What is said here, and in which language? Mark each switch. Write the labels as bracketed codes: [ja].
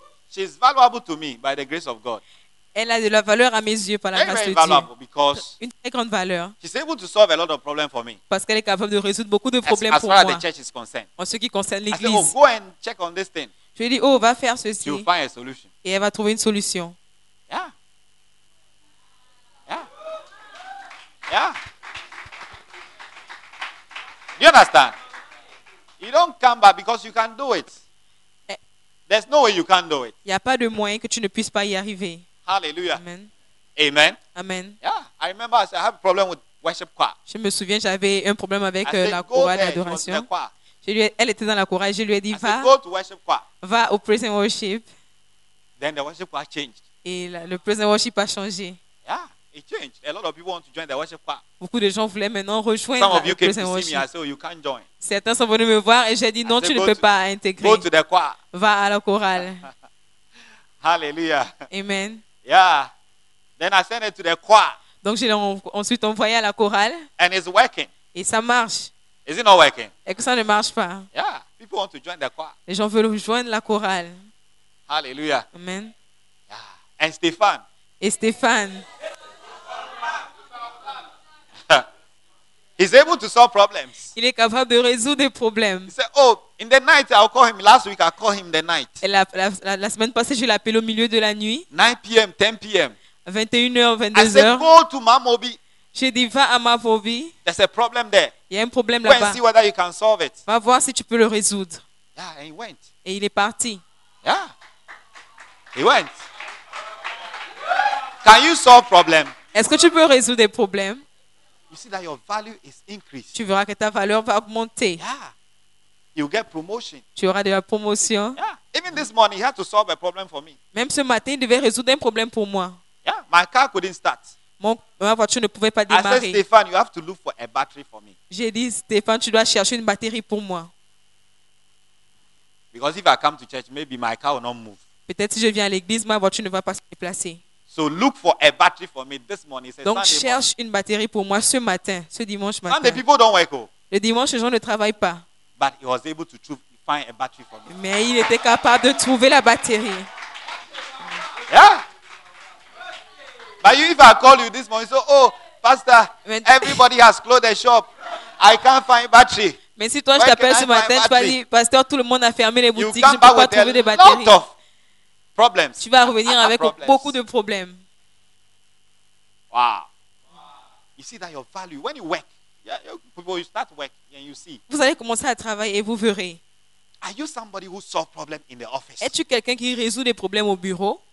[en] She's valuable to me by the grace of God. [fr] Elle a de la valeur à mes yeux par la grâce de Dieu. Une très grande valeur. [en] She's able to solve a lot of problems for me. [fr] Parce qu'elle est capable de résoudre beaucoup de problèmes pour moi. [en] As far as the church is concerned. [fr] En ce qui concerne l'église. [en] I say, oh, go and check on this thing. [fr] Je lui dis, oh, va faire ceci. [en] She'll find a solution. [fr] Et elle va trouver une solution. [en] Yeah. Yeah. Yeah. You understand? You don't come back because you can do it. There's no way you can do it. [fr] Il n'y a pas de moyen que tu ne puisses pas y arriver. [en] Hallelujah. Amen. Amen. Amen. Yeah, I remember I have a problem with worship choir. [fr] Je me souviens, j'avais un problème avec la chorale d'adoration. Elle était dans la chorale, je lui ai dit va. [en] Go to worship choir. [fr] Va au [en] praise and worship. Then the worship choir changed. [fr] Et le [en] praise and worship [fr] a changé. [en] Yeah, it changed. A lot of people want to join the worship choir. [fr] Beaucoup de gens voulaient maintenant rejoindre le [en] praise and worship. Some of you came to see me, I said, oh, you can't join. [fr] Certains sont venus me voir et j'ai dit non, tu ne peux pas intégrer. [en] Go to the choir. [fr] Va à la chorale. [en] Hallelujah. Amen. Yeah. Then I sent it to the choir. [fr] Donc je l'ai ensuite envoyé à la chorale. [en] And it's working. [fr] Et ça marche. [en] Is it not working? [fr] Et que ça ne marche pas. [en] Yeah. People want to join the choir. [fr] Les gens veulent rejoindre la chorale. [en] Hallelujah. Amen. Yeah. And Stéphane. [fr] Et Stéphane. [en] He's able to solve problems. [fr] Il est capable de résoudre des problèmes. [en] He said, oh, in the night, I'll call him. Last week, I called him the night. [fr] Et la semaine passée, je l'ai appelé au milieu de la nuit. [en] 9 p.m., 10 p.m. [fr] 21h, 22h. [en] I said, go to Mamobi. [fr] J'ai dit, va à Mamobi. [en] There's a problem there. [fr] Il y a un problème là-bas. [en] Go and see whether you can solve it. [fr] Va voir si tu peux le résoudre. [en] Yeah, and he went. [fr] Et il est parti. [en] Yeah. He went. Can you solve problems? [fr] Est-ce que tu peux résoudre des problèmes? [en] You see that your value is increased. [fr] Tu verras que ta valeur va augmenter. [en] Yeah. You get promotion. [fr] Tu auras de la promotion. [en] Yeah. Even this morning, he had to solve a problem for me. [fr] Même ce matin, il devait résoudre un problème pour moi. [en] Yeah. My car couldn't start. [fr] Ma voiture ne pouvait pas démarrer. [en] I said, Stéphane, you have to look for a battery for me. [fr] J'ai dit, Stéphane, tu dois chercher une batterie pour moi. [en] Because if I come to church, maybe my car will not move. [fr] Peut-être si je viens à l'église, ma voiture ne va pas se déplacer. [en] So look for a battery for me this morning. [fr] Donc cherche une batterie pour moi ce matin, ce dimanche matin. [en] And the people don't work. [fr] Le dimanche, les gens ne travaillent pas. [en] But he was able to find a battery for me. [fr] Mais il était capable de trouver la batterie. [en] Yeah. But if I call you this morning, so oh, pastor, everybody has closed their shop. I can't find battery. [fr] Mais si toi je t'appelle ce matin, tu vas dire, pasteur, tout le monde a fermé les boutiques, [en] you [fr] je ne peux pas trouver des batteries. [en] Problems. [fr] Tu vas revenir avec beaucoup de problèmes. [en] Wow. You see that your value when you work. Yeah, you start work and you see. [fr] Vous allez commencer à travailler et vous verrez. [en] Are you somebody who solves problems in the office? [fr] Es-tu quelqu'un qui résout des problèmes au bureau?